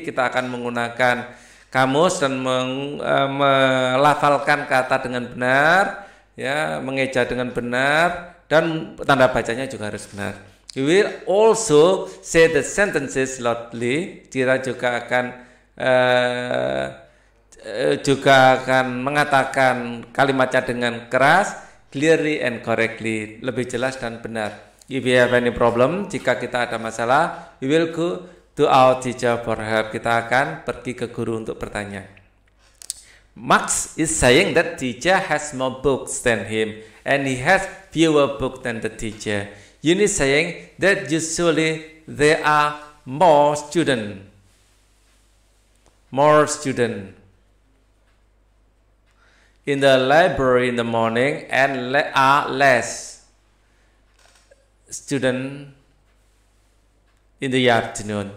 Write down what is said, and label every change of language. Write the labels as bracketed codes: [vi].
[id] Kita akan menggunakan kamus dan melafalkan kata dengan benar, ya, mengeja dengan benar, dan tanda bacanya juga harus benar. [en] We will also say the sentences loudly. [id] Kita juga akan mengatakan kalimatnya dengan keras, [en] clearly and correctly, [id] lebih jelas dan benar. [en] If you have any problem, [id] jika kita ada masalah, [en] we will go to our teacher for help. [id] Kita akan pergi ke guru untuk bertanya. [en] Max is saying that teacher has more books than him and he has fewer books than the teacher. Yun is saying that usually there are more students in the library in the morning and are less students in the afternoon.